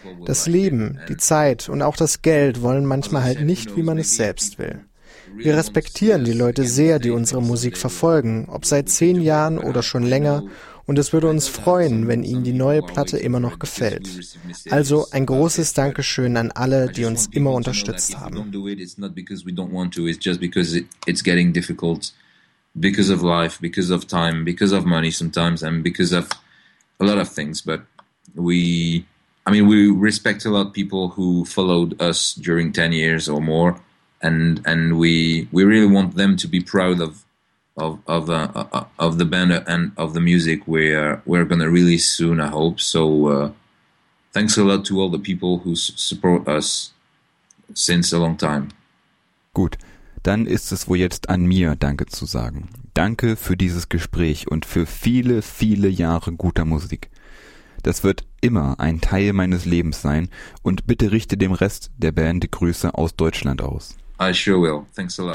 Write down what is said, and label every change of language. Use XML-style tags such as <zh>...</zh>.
<de>Das Leben, die Zeit und auch das Geld wollen manchmal halt nicht, wie man es selbst will. Wir respektieren die Leute sehr, die unsere Musik verfolgen, ob seit 10 Jahren oder schon länger, und es würde uns freuen, wenn Ihnen die neue Platte immer noch gefällt. Also ein großes Dankeschön an alle, die uns immer unterstützt haben.</de> <en>It's not because we don't want to, it's just because it's getting difficult because of life, because of time, because of money sometimes and because of a lot of things, but we respect a lot of people who followed us during 10 years or more. And we really want them to be proud of the band and of the music we're gonna release soon, I hope. So thanks a lot to all the people who support us since a long time.</en> <de>Gut, dann ist es wohl jetzt an mir, Danke zu sagen. Danke für dieses Gespräch und für viele, viele Jahre guter Musik. Das wird immer ein Teil meines Lebens sein und bitte richte dem Rest der Band Grüße aus Deutschland aus.</de> <en>I sure will. Thanks a lot.</en>